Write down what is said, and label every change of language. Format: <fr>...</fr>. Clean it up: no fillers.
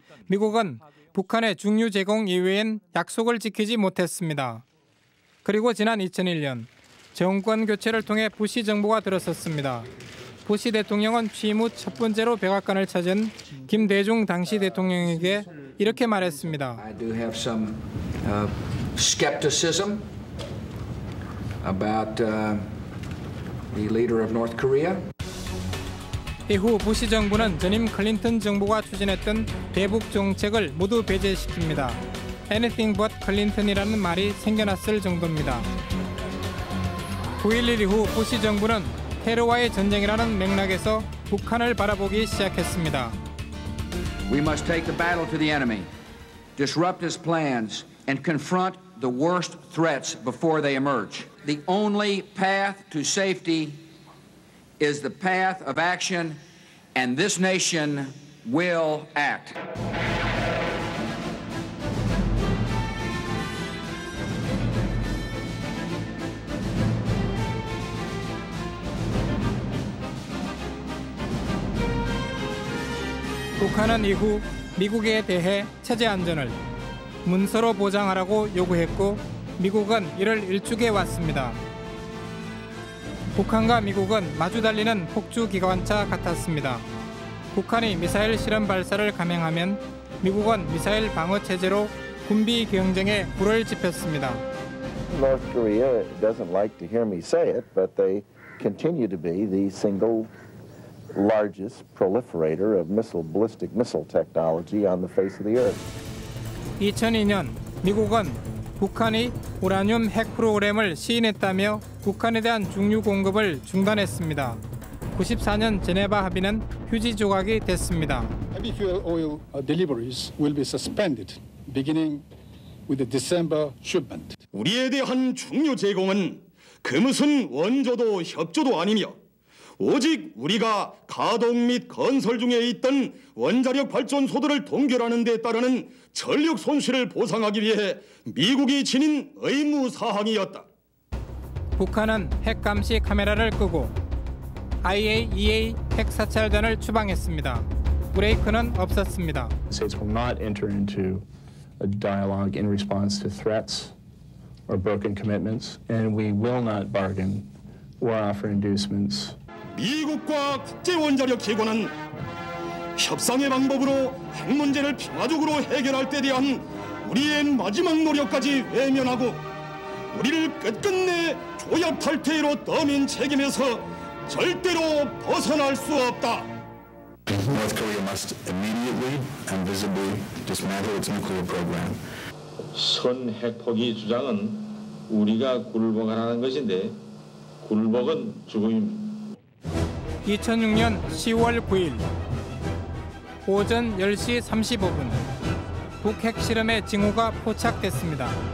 <ko>미국은 북한의 중유 제공 이외엔 약속을 지키지 못했습니다. 그리고 지난 2001년 정권 교체를 통해 부시 정부가 들어섰습니다. 부시 대통령은 취임 후 첫 번째로 백악관을 찾은 김대중 당시 대통령에게 이렇게 말했습니다.</ko> <en>I do have some skepticism about the leader of North Korea.</en> <ko>이후 부시 정부는 전임 클린턴 정부가 추진했던 대북 정책을 모두 배제시킵니다.</ko> <en>Anything but Clinton</en> <ko>이라는 말이 생겨났을 정도입니다. 9.11 이후 부시 정부는 테러와의 전쟁이라는 맥락에서 북한을 바라보기 시작했습니다.</ko> <en>We must take the battle to the enemy, disrupt his plans, and confront the worst threats before they emerge. The only path to safety is the path of action, and this nation will act.</en> <ko>북한은 이후 미국에 대해 체제 안전을 문서로 보장하라고 요구했고 미국은 이를 일축해 왔습니다. 북한과 미국은 마주 달리는 폭주 기관차 같았습니다. 북한이 미사일 실험 발사를 감행하면 미국은 미사일 방어 체제로 군비 경쟁에 불을 지폈습니다.</ko> <en>North Korea doesn't like to hear me say it, but they continue to be the single largest proliferator of missile ballistic missile technology on the face of the earth.</en> <ko>2002년 미국은 북한이 우라늄 핵 프로그램을 시인했다며 북한에 대한 중류 공급을 중단했습니다. 94년 제네바 합의는 휴지 조각이 됐습니다.</ko> <en>Heavy fuel oil deliveries will be suspended beginning with the December shipment.</en> <ko>우리에 대한 중류 제공은 그 무슨 원조도 협조도 아니며 오직 우리가 가동 및 건설 중에 있던 원자력 발전소들을 동결하는 데 따르는 전력 손실을 보상하기 위해 미국이 지닌 의무 사항이었다. 북한은 핵 감시 카메라를 끄고 IAEA 핵 사찰단을 추방했습니다. 브레이크는 없었습니다.</ko> <en>States will not enter into a dialogue in response to threats or broken commitments, and we will not bargain or offer inducements.</en> <ko>미국과 국제원자력 기구는 협상의 방법으로 핵 문제를 평화적으로 해결할 때 대한 우리의 마지막 노력까지 외면하고 우리를 끝끝내 조약 탈퇴로 떠민 책임에서 절대로 벗어날 수 없다.</ko> <en>North Korea must immediately and visibly dismantle its nuclear program.</en> <ko>선핵폭위 주장은 우리가 굴복하라는 것인데 굴복은 죽음입니다. 2006년 10월 9일 오전 10시 35분 북핵 실험의 징후가 포착됐습니다.</ko>